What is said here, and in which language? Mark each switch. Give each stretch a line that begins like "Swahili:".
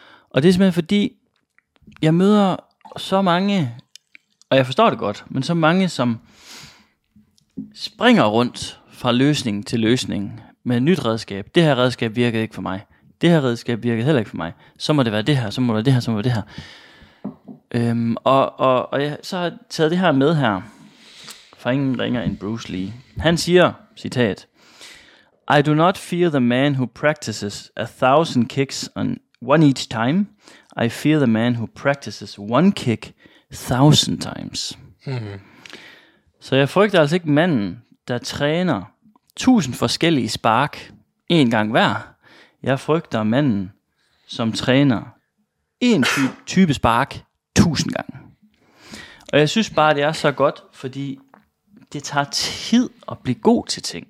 Danish: Og det er simpelthen fordi, jeg møder så mange, og jeg forstår det godt, men så mange, som springer rundt fra løsning til løsning med et nyt redskab. Det her redskab virkede ikke for mig. Det her redskab virkede heller ikke for mig. Så må det være det her, så må det være det her, så må det være det her. Og jeg så har taget det her med her, for ingen ringer end Bruce Lee. Han siger, citat,
English: I do not fear the man who practices 1,000 kicks on one each time. I fear the man who practices one kick 1,000 times. Mm-hmm.
Danish: Så jeg frygter altså ikke manden, der træner 1,000 forskellige spark en gang hver. Jeg frygter manden, som træner en type spark 1,000 gange. Og jeg synes bare, det er så godt, fordi det tager tid at blive god til ting.